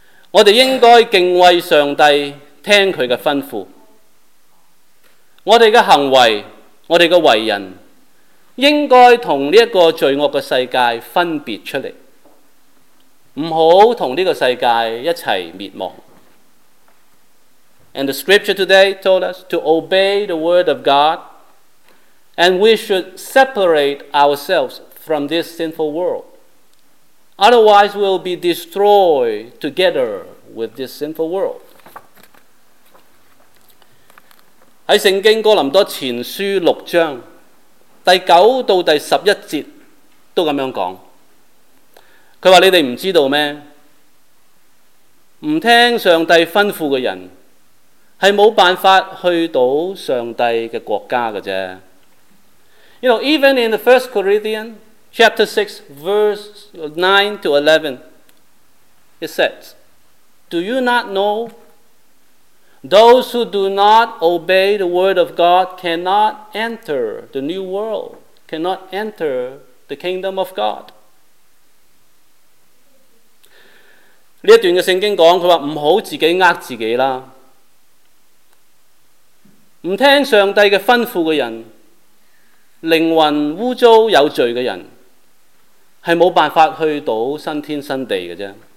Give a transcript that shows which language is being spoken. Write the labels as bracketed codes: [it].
[zh] 我们应该敬畏上帝，听祂的吩咐。我们的行为，我们的为人，应该和这个罪恶的世界分别出来，不要和这个世界一起灭亡。 [en] And the scripture today told us to obey the word of God, and we should separate ourselves from this sinful world. Otherwise we'll be destroyed together with this sinful world. [zh] 在圣经哥林多前书六章第九到第十一节都这样讲，他说你们不知道吗？不听上帝吩咐的人是没有办法去到上帝的国家的。 [en] You know, even in the 1 Corinthians chapter 6 verse 9 to 11 it saysDo you not know? Those who do not obey the word of God cannot enter the new world, cannot enter the kingdom of God. [zh] 这段的圣经讲，他说不要自己骗自己啦。不听上帝的吩咐的人，灵魂污糟有罪的人，是没办法去到新天新地的。